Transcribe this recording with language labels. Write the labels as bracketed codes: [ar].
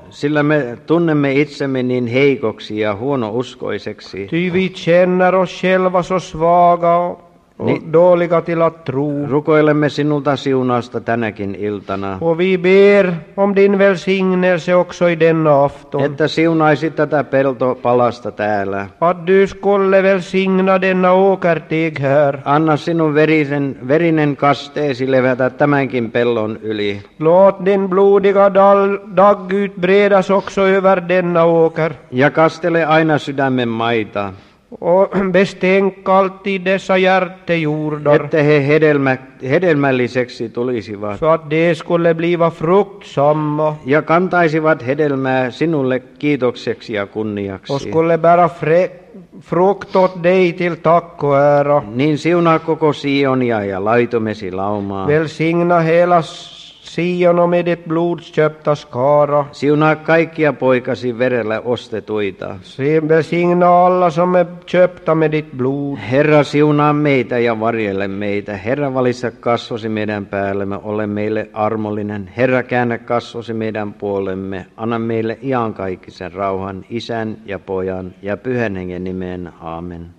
[fi] Sillä me tunnemme itsemme niin heikoksi ja huonouskoiseksi. [sv] Ty vi känner oss själva så svaga. dåliga till att tro. [fi] Rukoilemme sinulta siunasta tänäkin iltana. [sv] Och vi ber om din välsignelse också i denna afton. [fi] Että siunaisit tätä peltopalasta täällä. [sv] Att du skulle välsigna denna åkerteg här. [fi] Anna sinun verinen kasteesi levätä tämänkin pellon yli. [sv] Låt din blodiga dag utbredas också över denna åker. [fi] Ja kastele aina sydämen maita. [sv] Och bestänk alltid dessa hjärtejordar. [fi] Että he hedelmälliseksi tulisivat. [sv] Så att de skulle bliva fruktsamma. [fi] Ja kantaisivat hedelmää sinulle kiitokseksi ja kunniaksi. [sv] Och skulle bära frukt åt dig till tack och ära. [fi] Niin siunaa koko Sionia ja laitumesi laumaa. [sv] Välsigna hela Siona med ditt blodsköpta skara. [fi] Siunaa kaikkia poikasi verellä ostetuita. [sv] Välsigna alla som är köpta med ditt blod. [fi] Herra, siunaa meitä ja varjelle meitä. Herra, valissa kasvosi meidän päällemme. Ole meille armollinen. Herra, käännä kasvosi meidän puolemme. Anna meille iankaikkisen rauhan Isän ja Pojan ja Pyhän Hengen nimeen. Aamen.